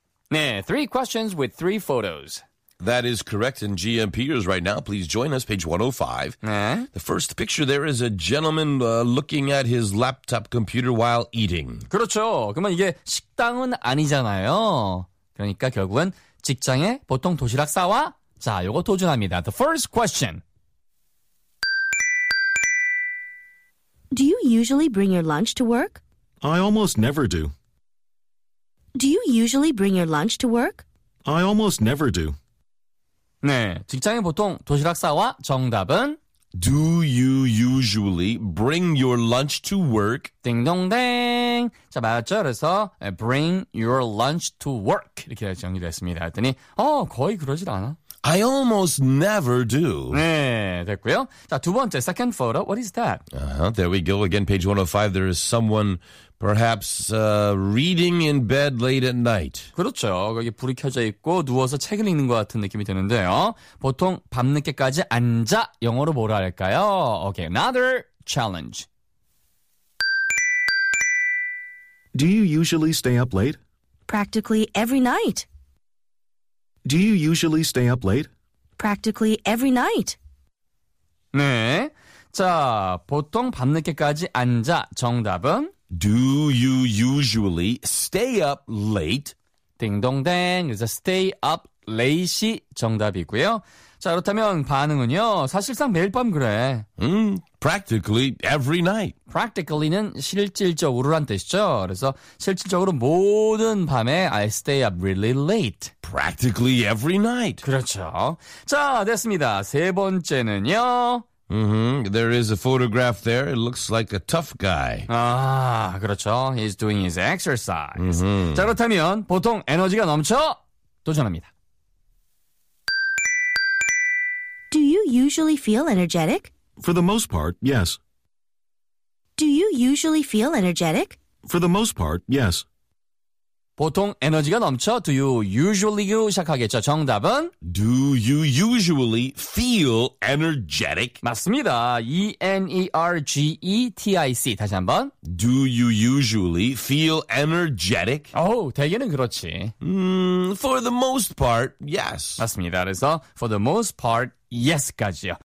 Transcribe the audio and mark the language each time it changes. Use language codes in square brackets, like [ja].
[ko] 네, [en] three questions with three photos. That is correct. And GMPers, right now, please join us, page 105. [ko] 네. [en] The first picture there is a gentleman looking at his laptop computer while eating. [ko] 그렇죠. 그러면 이게 식당은 아니잖아요. 그러니까 결국은 직장에 보통 도시락 싸와? 자, 요거 도전합니다. [en] The first question. Do you usually bring your lunch to work? I almost never do. Do you usually bring your lunch to work? I almost never do. [ko] 네, 직장에 보통 도시락 싸와? 정답은? [en] Do you usually bring your lunch to work? [ko] 띵동댕! 자, 맞았죠? 그래서 [en] bring your lunch to work [ko] 이렇게 정리됐습니다. 했더니 거의 그러질 않아. [en] I almost never do. [ko] 네, 됐고요. 자, 두 번째, [en] second photo, what is that? There we go, again, page 105. There is someone, perhaps, reading in bed late at night. [ko] 그렇죠. 거기 불이 켜져 있고 누워서 책을 읽는 것 같은 느낌이 드는데요. 보통 밤늦게까지 앉아, 영어로 뭐라 할까요? [en] Okay, another challenge. Do you usually stay up late? Practically every night. Do you usually stay up late? Practically every night. [ko] 네. 자, 보통 밤늦게까지 앉아. 정답은? [en] Do you usually stay up late? [ko] 딩동댕. [en] 그래서 stay up late이 [ko] 정답이고요. 자, 그렇다면 반응은요. 사실상 매일 밤 그래. [en] Practically every night. [ko] Practically는 실질적으로란 뜻이죠. 그래서 실질적으로 모든 밤에 [en] I stay up really late. Practically every night. [ko] 그렇죠. 자, 됐습니다. 세 번째는요. [en] There is a photograph there. It looks like a tough guy. [ko] 아, 그렇죠. [en] He's doing his exercise. Mm-hmm. [ko] 자, 그렇다면 보통 에너지가 넘쳐 도전합니다. [en] Do you usually feel energetic? For the most part, yes. Do you usually feel energetic? For the most part, yes. [ko] 보통 에너지가 넘쳐 [en] do you usually [ko] 로 시작하겠죠. 정답은 [en] Do you usually feel energetic? [ko] 맞습니다. E-N-E-R-G-E-T-I-C 다시 한번 [en] Do you usually feel energetic? [ko] 오, 대개는 그렇지. [en] For the most part, yes. [ko] 맞습니다. 그래서 [en] for the most part, yes [ko] 까지요.